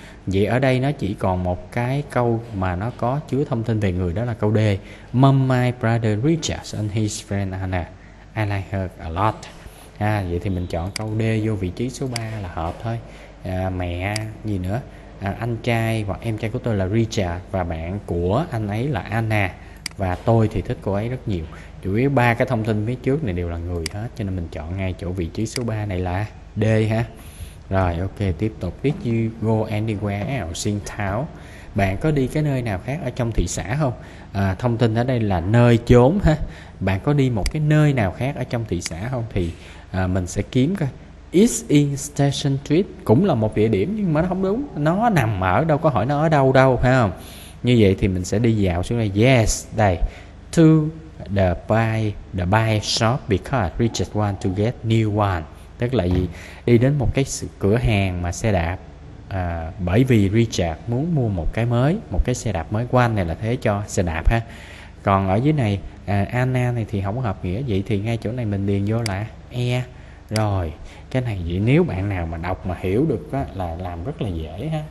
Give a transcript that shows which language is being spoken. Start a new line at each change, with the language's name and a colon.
Vietnamese: Vậy ở đây nó chỉ còn một cái câu mà nó có chứa thông tin về người. Đó là câu D.
English: "Mom, my brother Richard and his friend Anna. I like her a lot."
Vietnamese: Vậy thì mình chọn câu D vô vị trí số 3 là hợp thôi. Mẹ gì nữa, anh trai hoặc em trai của tôi là Richard và bạn của anh ấy là Anna. Và tôi thì thích cô ấy rất nhiều. Chủ yếu ba cái thông tin phía trước này đều là người hết. Cho nên mình chọn ngay chỗ vị trí số 3 này là D ha. Rồi ok, tiếp tục.
English: "Did you go anywhere else in town?"
Vietnamese: Bạn có đi cái nơi nào khác ở trong thị xã không? Thông tin ở đây là nơi chốn ha. Bạn có đi một cái nơi nào khác ở trong thị xã không? Thì mình sẽ kiếm coi.
English: It's in Station Street
Vietnamese: cũng là một địa điểm nhưng mà nó không đúng. Nó nằm ở đâu, có hỏi nó ở đâu đâu, phải không? Như vậy thì mình sẽ đi dạo xuống đây. Yes, đây.
English: To the buy shop because Richard want to get new one.
Vietnamese: Tức là gì? Đi đến một cái cửa hàng mà xe đạp à, bởi vì Richard muốn mua một cái mới, một cái xe đạp mới. Quan này là thế cho xe đạp ha. Còn ở dưới này à, Anna này thì không hợp nghĩa. Vậy thì ngay chỗ này mình điền vô là e. Rồi, cái này vậy nếu bạn nào mà đọc mà hiểu được đó, là làm rất là dễ ha.